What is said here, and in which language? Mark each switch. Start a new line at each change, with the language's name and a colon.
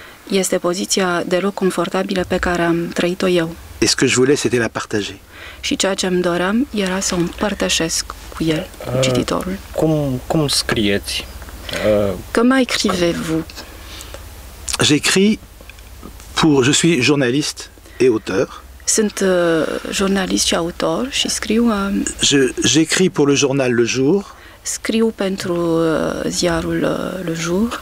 Romanian: Este poziția deloc confortabilă pe care am trăit-o eu.
French: Et ce que je voulais, c'était la partager.
Romanian: Și ceea ce îmi doream era să o împărtășesc cu el, cu cititorul. Cum scrieți?
French: Comment écrivez-vous? J'écris pour je suis journaliste et auteur.
Romanian: Sunt jurnalist și autor și scriu
French: j'écris pour le journal Le Jour.
Romanian: Scriu pentru ziarul Le Jour.